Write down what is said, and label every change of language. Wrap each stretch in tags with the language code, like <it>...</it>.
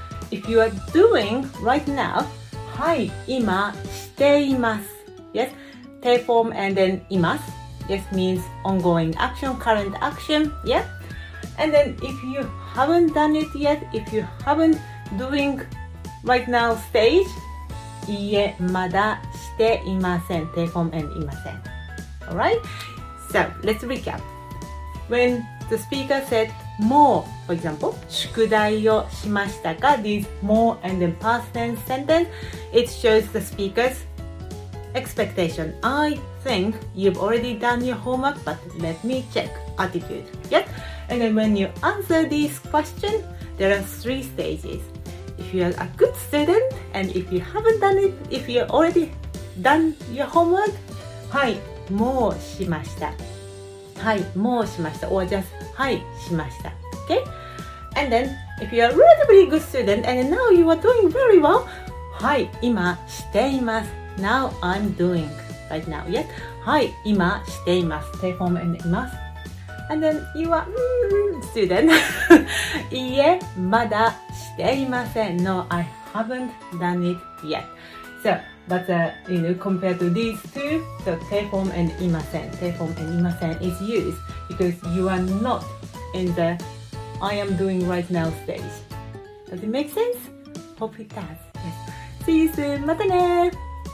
<en>If you are doing right now,</en> <ja>はい、今しています。</ja> <en>Yes? Te form and then います。Yes means ongoing action, current action. Yeah? And then if you haven't done it yet, if you haven'tDoing right now stage?</en> <ja>いいえ、まだしていません。</ja> <en>Te form and imasen. Alright? So, let's recap. When the speaker said, もう、for example,</en> <ja>宿題をしましたか?</ja> <en>This more and then past tense sentence, it shows the speaker's expectation. I think you've already done your homework, but let me check. Attitude. Yes? And then when you answer this question, there are three stages. If you are a good student and if you haven't done it, if you already done your homework,</en> <ja>はい、もうしました。はい、もうしました。</ja> <en>Or just,</en> <ja>はい、しました。</ja> <en>Okay? And then, if you are a relatively good student and now you are doing very well,</en> <ja>はい、今しています。</ja> <en>Now I'm doing right now, yes?</en> <ja>はい、今しています。</ja> <en>Stay home and います。 And then you are student.</en> <ja>いいえ、まだしていません。</ja> <en>No, I haven't done it yet. So, but you know, compared to these two, so te form and imasen. Te form and imasen is used because you are not in the I am doing right now stage. Does it make sense? Hope it does. Yes. See you soon.</en> <ja>またねー</ja>